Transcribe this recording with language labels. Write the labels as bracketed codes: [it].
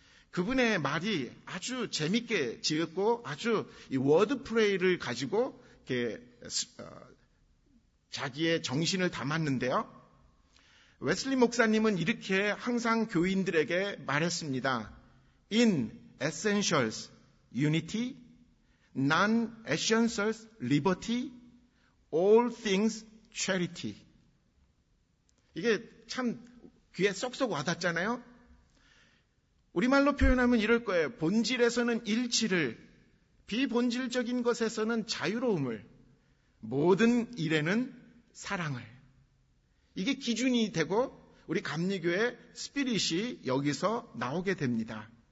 [ko] 그분의 말이 아주 재밌게 지었고 아주 이 워드플레이를 가지고 이렇게 자기의 정신을 담았는데요. 웨슬리 목사님은 이렇게 항상 교인들에게 말했습니다. [en] In essentials, unity, non-essentials, liberty, all things, charity. [ko] 이게 참 귀에 쏙쏙 와닿잖아요. 우리말로 표현하면 이럴 거예요. 본질에서는 일치를, 비본질적인 것에서는 자유로움을, 모든 일에는 사랑을. 이게 기준이 되고 우리 감리교의 스피릿이 여기서 나오게 됩니다.